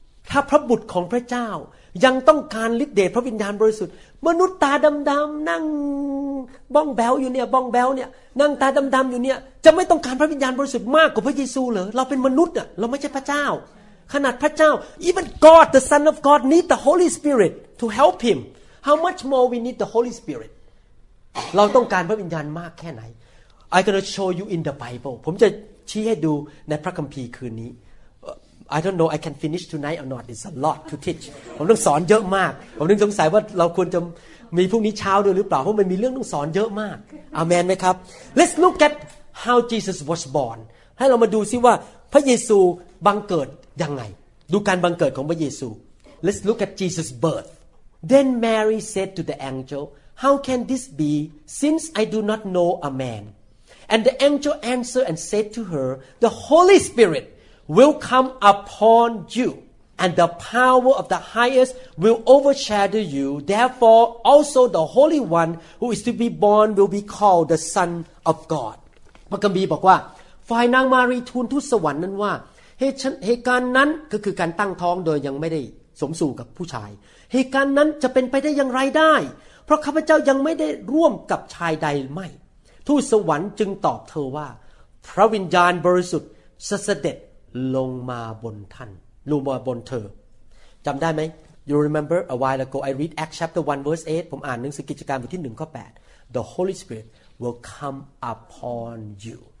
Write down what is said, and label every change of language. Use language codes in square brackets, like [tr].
[th] ถ้าพระบุตรของพระเจ้ายังต้องการฤทธิ์เดชพระวิญญาณบริสุทธิ์มนุษย์ตาดำๆนั่งบ้องแบ๋วอยู่เนี่ยบ้องแบ๋วเนี่ยนั่งตาดำๆอยู่เนี่ยจะไม่ต้องการพระวิญญาณบริสุทธิ์มากกว่าพระเยซูเหรอเราเป็นมนุษย์อะเราไม่ใช่พระเจ้าขนาดพระเจ้า [en] Even God the Son of God need the Holy Spirit to help him. How much more we need the Holy Spirit? [th] เราต้องการพระวิญญาณมากแค่ไหน [en] I'm gonna show you in the Bible. [th] ผมจะชี้ให้ดูในพระคัมภีร์คืนนี้ [en] I don't know I can finish tonight or not It's a lot to teach [th] ผมต้องสอนเยอะมากผมนึกสงสัยว่าเราควรจะ มีพรุ่งนี้เช้าด้วยหรือเปล่าเพราะมันมีเรื่องต้องสอนเยอะมากอาเมนไหมครับ [en] Let's look at how Jesus was born [th] ให้เรามาดูซิว่าพระเยซูบังเกิดยังไงดูการบังเกิดของพระเยซู [en] Let's look at Jesus' birth Then Mary said to the angel How can this be since I do not know a manAnd the angel answered and said to her, The Holy Spirit will come upon you, and the power of the highest will overshadow you. Therefore, also the Holy One who is to be born will be called the Son of God. [th] พระคัมภีร์บอกว่าฝ่ายนางมารีทูลทูตสวรรค์นั้นว่าเหตุการณ์นั้นก็คือการตั้งท้องโดยยังไม่ได้สมสู่กับผู้ชายเหตุการณ์นั้นจะเป็นไปได้อย่างไรได้เพราะข้าพเจ้ายังไม่ได้ร่วมกับชายใดไม่ ทูตสวรรค์จึงตอบเธอว่าพระวิญญาณบริสุทธิ์เสด็จลงมาบนท่านลงมาบนเธอจำได้ไหม [en] You remember a while ago I read Acts chapter 1 verse 8 [th] ผมอ่านหนังสือกิจการบทที่1ข้อ8 [en] The Holy Spirit will come upon you